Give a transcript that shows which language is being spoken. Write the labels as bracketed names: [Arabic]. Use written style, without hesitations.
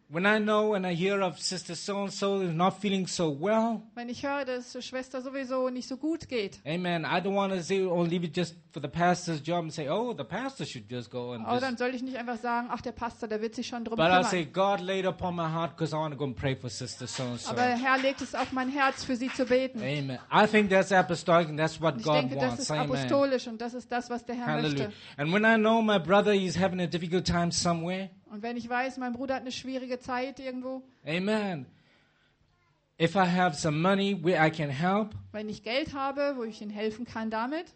[English] When I know and I hear of sister so and so is not feeling so well. [German] Wenn ich höre, dass Schwester sowieso nicht so gut geht. [English] Amen. I don't want to say or leave it just for the pastor's job and say, oh, the pastor should just go and. [German] Oh, dann soll ich nicht einfach sagen, ach, der Pastor, der wird sich schon drum [English] but [German] kümmern. [English] But I say, God laid upon my heart because I want to go and pray for sister so and so. [German] Aber der Herr legt es auf mein Herz, für sie zu beten. [English] Amen. I think that's apostolic and that's what God wants. [German] Ich denke, das ist apostolisch und das ist das, was der Herr [English] Hallelujah. [German] Möchte. [English] And when I know my brother is having a difficult time somewhere. [German] Und wenn ich weiß, mein Bruder hat eine schwierige Zeit irgendwo. [English] Amen. If I have some money where I can help. [German] Wenn ich Geld habe, wo ich ihnen helfen kann damit.